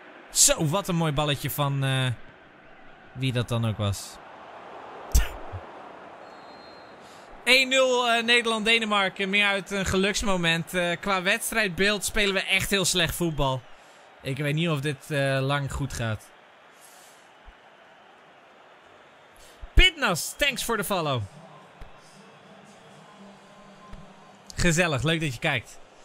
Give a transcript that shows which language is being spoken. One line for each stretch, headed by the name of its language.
Dutch: Zo, wat een mooi balletje van wie dat dan ook was. 1-0 Nederland-Denemarken, meer uit een geluksmoment. Qua wedstrijdbeeld spelen we echt heel slecht voetbal. Ik weet niet of dit lang goed gaat.
English: Pitnas, thanks for the follow.
Dutch: Gezellig, leuk dat je kijkt.